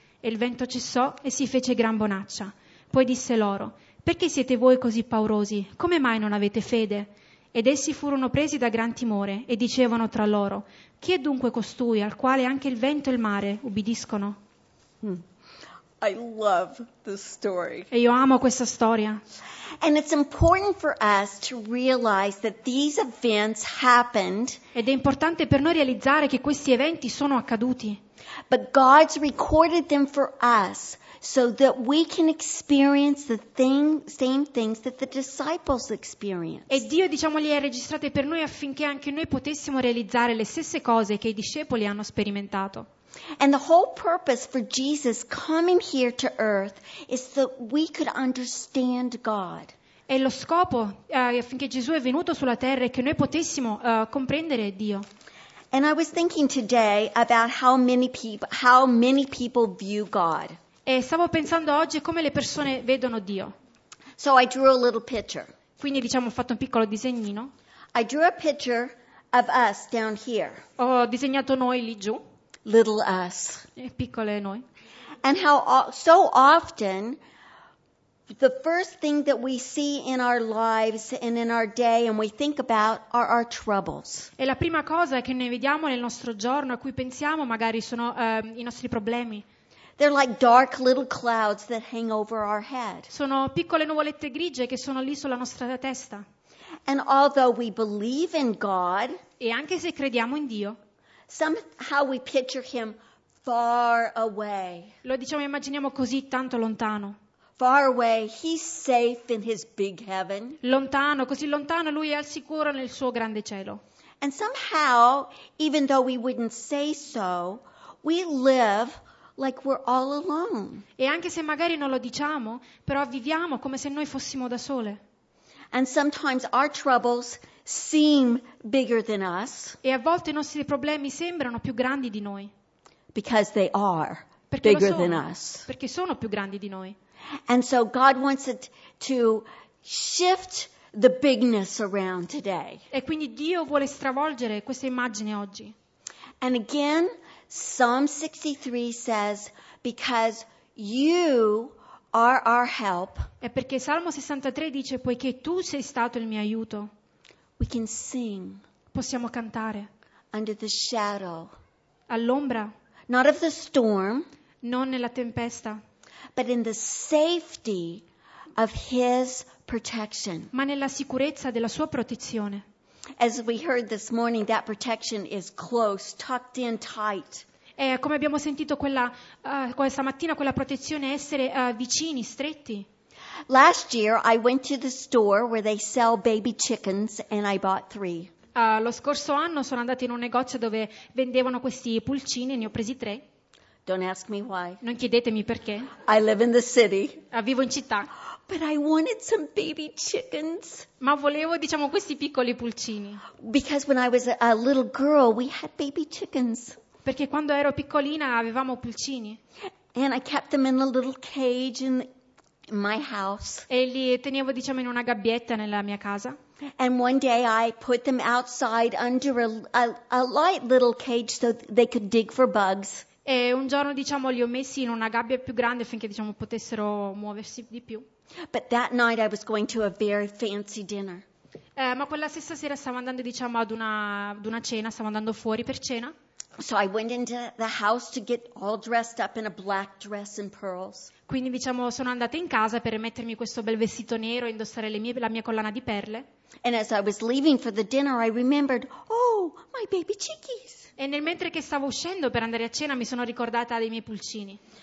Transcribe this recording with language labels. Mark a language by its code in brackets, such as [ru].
[it] E il vento cessò e si fece gran bonaccia. Poi disse loro: «Perché siete voi così paurosi? Come mai non avete fede?» Ed essi furono presi da gran timore e dicevano tra loro: «Chi è dunque costui al quale anche il vento e il mare ubbidiscono?» [en] I love this story. [it] E io amo questa storia. [en] And it's important for us to realize that these events happened. [it] Ed è importante per noi realizzare che questi eventi sono accaduti. [en] But God's recorded them for us so that we can experience the same things that the disciples experienced. [it] E Dio, diciamo, li ha registrate per noi affinché anche noi potessimo realizzare le stesse cose che i discepoli hanno sperimentato. [en] And the whole purpose for Jesus coming here to earth is that we could understand God. [it] è lo scopo affinché Gesù è venuto sulla terra e che noi potessimo comprendere Dio. [en] And I was thinking today about how many people view God. [it] E stavo pensando oggi come le persone vedono Dio. [en] So I drew a little picture. [it] Quindi diciamo ho fatto un piccolo disegnino. [en] I drew a picture of us down here. [it] Ho disegnato noi lì giù. [en] Little us. [it] E piccole noi. [en] And how so often the first thing that we see in our lives and in our day and we think about are our troubles. [it] E la prima cosa che noi vediamo nel nostro giorno a cui pensiamo magari sono i nostri problemi. [en] They're like dark little clouds that hang over our head. [it] Sono piccole nuvolette grigie che sono lì sulla nostra testa. [en] And although we believe in God, [it] e anche se crediamo in Dio, [en] somehow we picture him far away. [it] Lo diciamo e immaginiamo così tanto lontano. [en] Far away, he's safe in his big heaven. [it] Lontano, così lontano, lui è al sicuro nel suo grande cielo. [en] And somehow, even though we wouldn't say so, we live like we're all alone. [it] E anche se magari non lo diciamo, però viviamo come se noi fossimo da sole. [en] And sometimes our troubles seem bigger than us. [it] E a volte i nostri problemi sembrano più grandi di noi. [en] Because they are [it] perché [en] bigger [it] sono, [en] than us. [it] Perché sono più grandi di noi. [en] And so God wants it to shift the bigness around today. [it] E quindi Dio vuole stravolgere questa immagine oggi. [en] And again, Psalm 63 says, because you are our help. [it] E perché Salmo 63 dice, poiché tu sei stato il mio aiuto. [en] We can sing. [it] Possiamo cantare. [en] Under the shadow. [it] All'ombra. [en] Not of the storm. [it] Non nella tempesta. [en] But in the safety of his protection. [it] Ma nella sicurezza della sua protezione. [en] As we heard this morning, that protection is close, tucked in tight. [it] E come abbiamo sentito questa mattina, quella protezione essere vicini, stretti. [en] Last year I went to the store where they sell baby chickens and I bought 3. [it] Lo scorso anno sono andata in un negozio dove vendevano questi pulcini e ne ho presi 3. [en] Don't ask me why. [it] Non chiedetemi perché. [en] I live in the city. [it] Vivo in città. [en] But I wanted some baby chickens. [it] Ma volevo, diciamo, questi piccoli pulcini. [en] Because when I was a little girl, we had baby chickens. [it] Perché quando ero piccolina avevamo pulcini. [en] And I kept them in a little cage in my house. [it] E li tenevo, diciamo, in una gabbietta nella mia casa. [en] And one day I put them outside under a light little cage so they could dig for bugs. [it] E un giorno, diciamo, li ho messi in una gabbia più grande affinché, diciamo, potessero muoversi di più. [en] But that night I was going to a very fancy dinner. [it] Ma quella stessa sera stavo andando, diciamo, ad una cena, stavo andando fuori per cena. [en] So I went into the house to get all dressed up in a black dress and pearls. [it] Quindi, diciamo, sono andata in casa per mettermi questo bel vestito nero e indossare la mia collana di perle. [en] And as I was leaving for the dinner, I remembered, oh, my baby chickies. [it] E nel mentre che stavo uscendo per andare a cena mi sono ricordata dei miei pulcini.